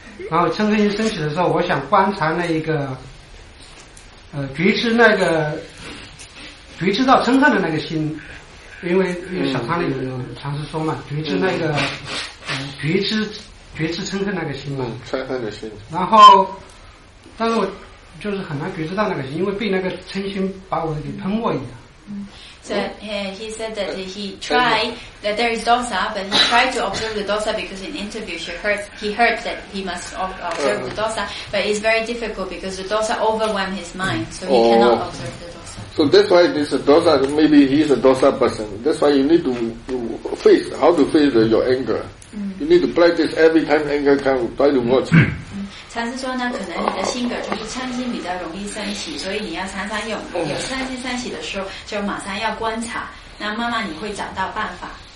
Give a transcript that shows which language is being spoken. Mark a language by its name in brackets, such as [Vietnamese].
[Chinese] 然后嗔恨一升起的时候，我想观察那一个觉知那个觉知到嗔恨的那个心，因为小仓里有尝试说嘛，觉知那个觉知嗔恨那个心嘛，嗔恨的心。然后，但是我就是很难觉知到那个心，因为被那个嗔心把我给喷过一样。 [English] So he said that he tried that there is dosa, but he tried to observe the dosa because in interview he heard that he must observe the dosa, but it's very difficult because the dosa overwhelmed his mind, so he cannot observe the dosa. So that's why this dosa, maybe he's a dosa person. That's why you need to face how to face your anger. You need to practice every time anger comes, try to watch. [Chinese] 禅师说呢，可能你的性格就是嗔心比较容易升起，所以你要常常有嗔心升起的时候，就马上要观察，那慢慢你会找到办法。